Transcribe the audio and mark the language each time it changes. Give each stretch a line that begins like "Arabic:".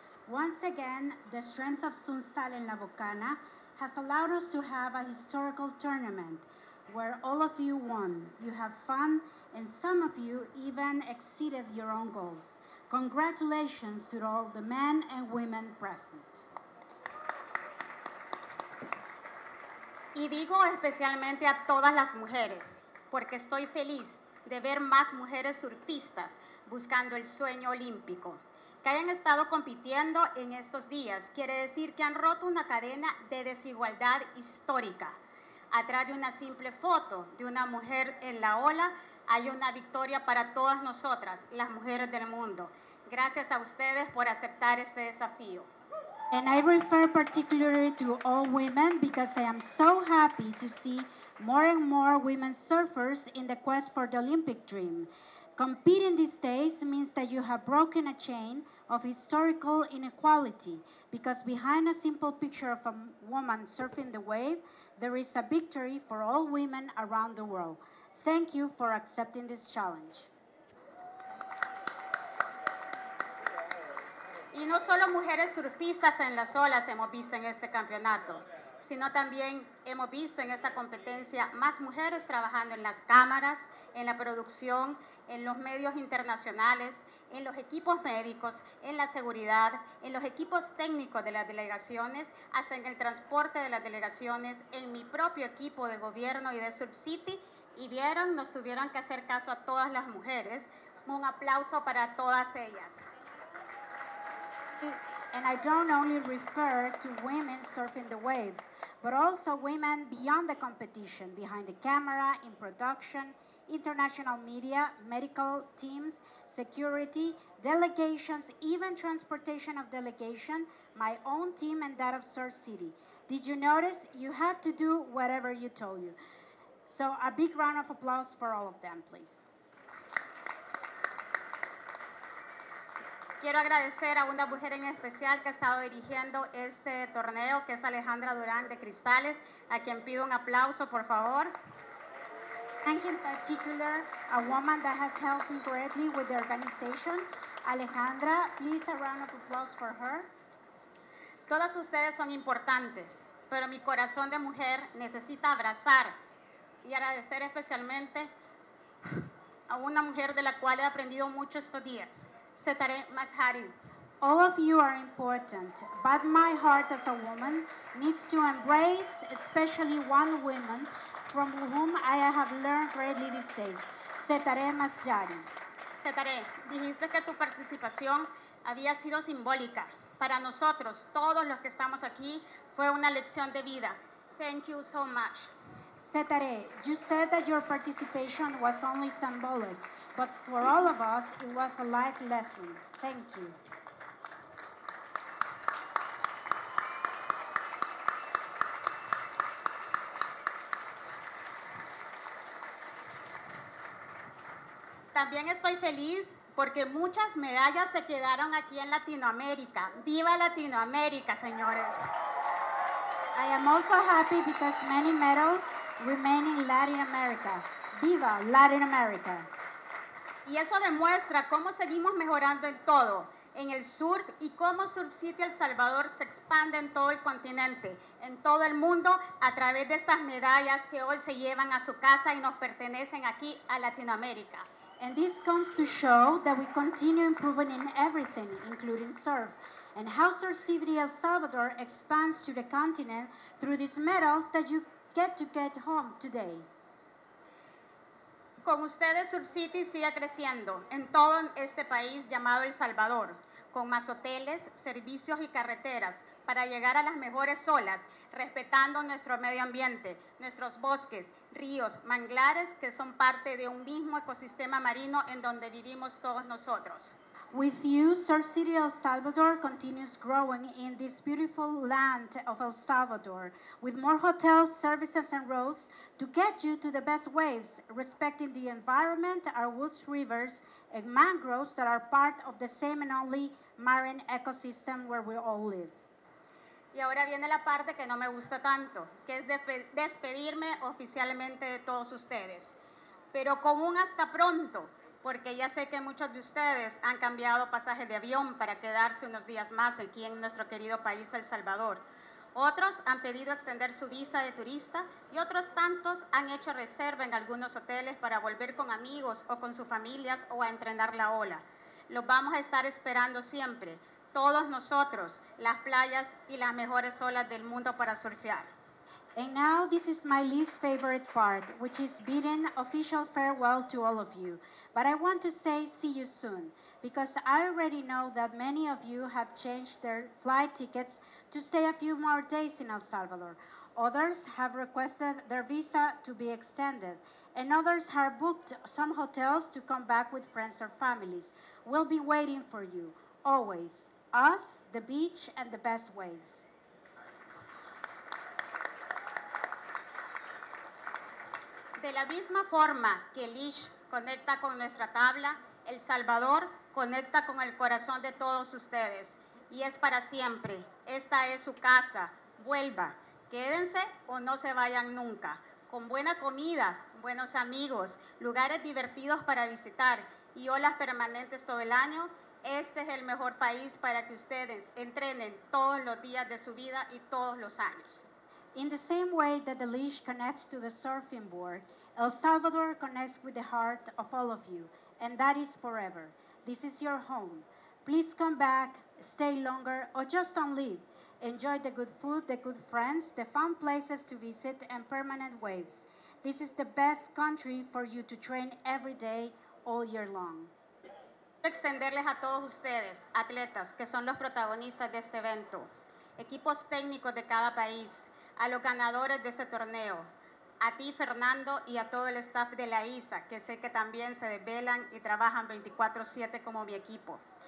English: Once again, the strength of Sunsal and La Bocana has allowed us to have a historical tournament where all of you won. You have fun, and some of you even exceeded your own goals. Congratulations to all the men and women present.
Spanish: Y digo especialmente a todas las mujeres, porque estoy feliz de ver más mujeres surfistas buscando el sueño olímpico. Que hayan estado compitiendo en estos días quiere decir que han roto una cadena de desigualdad histórica. Atrás de una simple foto de una mujer en la ola, hay una victoria para todas nosotras, las mujeres del mundo. Gracias a ustedes por aceptar este desafío.
English: And I refer particularly to all women because I am so happy to see more and more women surfers in the quest for the Olympic dream. Competing these days means that you have broken a chain of historical inequality, because behind a simple picture of a woman surfing the wave, there is a victory for all women around the world. Thank you for accepting this challenge.
Spanish: Y no solo mujeres surfistas en las olas hemos visto en este campeonato, sino también hemos visto en esta competencia más mujeres trabajando en las cámaras, en la producción, en los medios internacionales, en los equipos médicos, en la seguridad, en los equipos técnicos de las delegaciones, hasta en el transporte de las delegaciones, en mi propio equipo de gobierno y de Surf City, y vieron, nos tuvieron que hacer caso a todas las mujeres. Un aplauso para todas ellas.
English: And I don't only refer to women surfing the waves, but also women beyond the competition, behind the camera, in production, international media, medical teams, security, delegations, even transportation of delegation, my own team and that of Surf City. Did you notice? You had to do whatever you told you. So a big round of applause for all of them, please.
Spanish: Quiero agradecer a una mujer en especial que ha estado dirigiendo este torneo, que es Alejandra Durán de Cristales, a quien pido un aplauso, por favor.
English: Thank you in particular a woman that has helped me greatly with the organization. Alejandra, please a round of applause for her.
Spanish: Todas ustedes son importantes, pero mi corazón de mujer necesita abrazar y agradecer especialmente a una mujer de la cual he aprendido mucho estos días. Setare Mashari.
English: All of you are important, but my heart as a woman needs to embrace especially one woman from whom I have learned greatly these days. Setare Mashari.
Spanish: Setare, dijiste que tu participación había sido simbólica. Para nosotros, todos los que estamos aquí, fue una lección de vida.
English: Thank you so much. Setare, you said that your participation was only symbolic, but for all of us, it was a life lesson. Thank you.
Spanish: También estoy feliz porque muchas medallas se quedaron aquí en Latinoamérica. ¡Viva Latinoamérica, señores!
English: I am also happy because many medals remain in Latin America. ¡Viva Latin America!
Spanish: Y eso demuestra cómo seguimos mejorando en todo, en el surf, y cómo Surf City El Salvador se expande en todo el continente, en todo el mundo, a través de estas medallas que hoy se llevan a su casa y nos pertenecen aquí a Latinoamérica.
English: And this comes to show that we continue improving in everything, including surf, and how Surf City El Salvador expands to the continent through these medals that you get to get home today.
Spanish: Con ustedes, Surf City sigue creciendo en todo este país llamado El Salvador, con más hoteles, servicios y carreteras, para llegar a las mejores olas, respetando nuestro medio ambiente, nuestros bosques, ríos, manglares, que son parte de un mismo ecosistema marino en donde vivimos todos nosotros.
English: With you, Surf City El Salvador continues growing in this beautiful land of El Salvador, with more hotels, services, and roads to get you to the best waves, respecting the environment, our woods, rivers, and mangroves that are part of the same and only marine ecosystem where we all live.
Spanish: Y ahora viene la parte que no me gusta tanto, que es despedirme oficialmente de todos ustedes. Pero con un hasta pronto, porque ya sé que muchos de ustedes han cambiado pasajes de avión para quedarse unos días más aquí en nuestro querido país, El Salvador. Otros han pedido extender su visa de turista y otros tantos han hecho reserva en algunos hoteles para volver con amigos o con sus familias o a entrenar la ola. Los vamos a estar esperando siempre. Todos nosotros, las playas y las mejores olas del mundo para surfear.
English: And now this is my least favorite part, which is bidding official farewell to all of you. But I want to say see you soon, because I already know that many of you have changed their flight tickets to stay a few more days in El Salvador. Others have requested their visa to be extended, and others have booked some hotels to come back with friends or families. We'll be waiting for you, always. Us, the beach, and the best waves.
Spanish: De la misma forma que el Ish conecta con nuestra tabla, El Salvador conecta con el corazón de todos ustedes. Y es para siempre. Esta es su casa. Vuelva. Quédense o no se vayan nunca. Con buena comida, buenos amigos, lugares divertidos para visitar y olas permanentes todo el año, este es el mejor país para que ustedes entrenen todos los días de su vida y todos los años.
English: In the same way that the leash connects to the surfing board, El Salvador connects with the heart of all of you, and that is forever. This is your home. Please come back, stay longer, or just don't leave. Enjoy the good food, the good friends, the fun places to visit, and permanent waves. This is the best country for you to train every day, all year long.
Spanish: Quiero extenderles a todos ustedes, atletas, que son los protagonistas de este evento, equipos técnicos de cada país, a los ganadores de este torneo, a ti, Fernando, y a todo el staff de la ISA, que sé que también se desvelan y trabajan 24/7 como mi equipo,